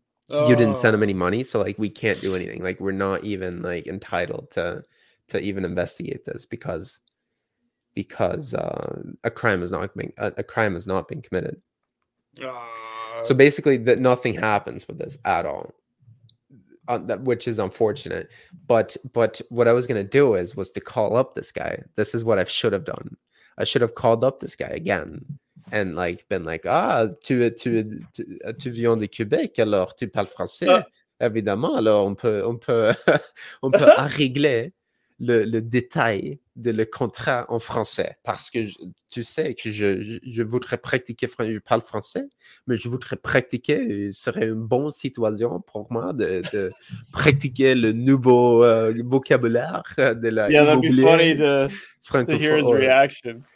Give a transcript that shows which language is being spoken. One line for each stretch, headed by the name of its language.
English: You didn't send them any money. So like, we can't do anything. Like we're not even like entitled to even investigate this because a crime has not been committed. So basically that nothing happens with this at all. Which is unfortunate, but what I was going to do was to call up this guy. This is what I should have done. I should have called up this guy again and like been like,
French: tu viens de Québec, alors tu parles français, évidemment, alors on peut régler le détail de le contrat en français parce que je voudrais pratiquer français, je parle français, mais je voudrais pratiquer, ce serait une bonne situation pour moi de pratiquer le nouveau vocabulaire de la
English: immobilier. Yeah, that'd be funny to hear his reaction.